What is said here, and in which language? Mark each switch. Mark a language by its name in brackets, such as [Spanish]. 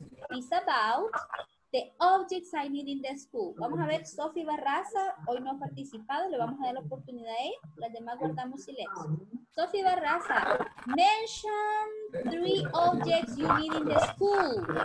[English] It's about the objects I need in the school. [Spanish] Vamos a ver, Sophie Barraza, hoy no ha participado, le vamos a dar la oportunidad ahí. Las demás guardamos silencio. [English] Sophie Barraza, mention three objects you need in the school.